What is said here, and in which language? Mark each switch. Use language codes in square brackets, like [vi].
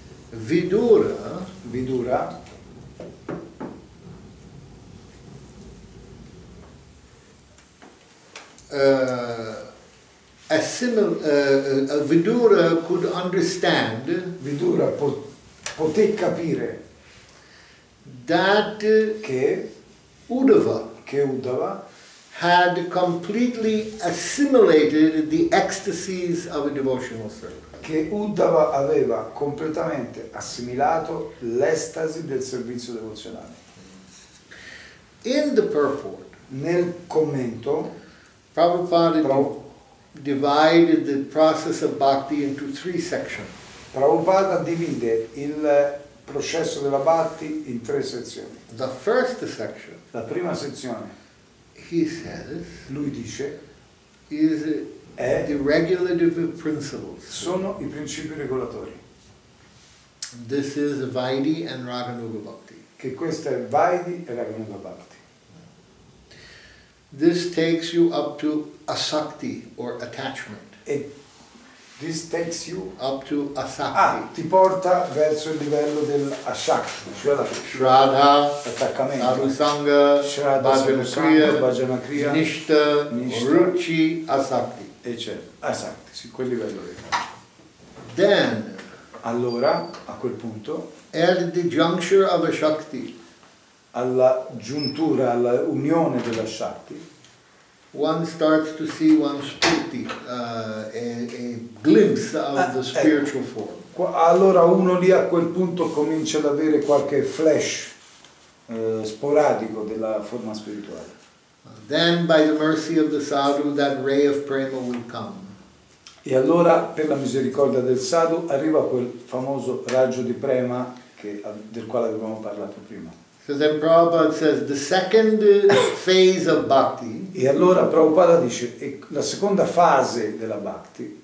[en] Vidura Vidura could understand, [it] Vidura poté capire, [en] that [it] che Uddhava [en] had completely assimilated the ecstasies of a devotional service. [it] Che Uddhava aveva completamente assimilato l'estasi del servizio devozionale. [en] In the purport, [it] nel commento, [en] Prabhupada divided the process of bhakti into three sections. [it] Prabhupada divide il processo della bhakti in tre sezioni. [en] The first section, [it] la prima sezione, [en] he says, [it] lui dice, [en] is the regulative principles. [it] Sono i principi regolatori. [en] This is Vaidhi and Raganuga Bhakti. [it] Che questo è Vaidhi e Raganuga Bhakti. [en] This takes you up to asakti or attachment. It, this takes you up to asakti. [it] Ah, ti porta verso il livello del asakti, cioè la [sa] Shraddha, [it] attaccamento, [sa] Sadhusanga, Bhajanakriya, Nishta, Ruchi, asakti. [it] E c'è, esatto, su quel livello lì. [en] Then, [it] allora, a quel punto, [en] at the juncture of a shakti, [it] alla giuntura, alla unione della shakti, [en] one starts to see one's spirti, a glimpse of the spiritual form. [it] Allora uno lì a quel punto comincia ad avere qualche flash sporadico della forma spirituale. [en] Then by the mercy of the sadhu that ray of prema will come. [it] E allora per la misericordia del sadhu arriva quel famoso raggio di prema che, del quale avevamo parlato prima. [en] So then Prabhupada says the second phase of bhakti. [it] E allora Prabhupada dice la seconda fase della bhakti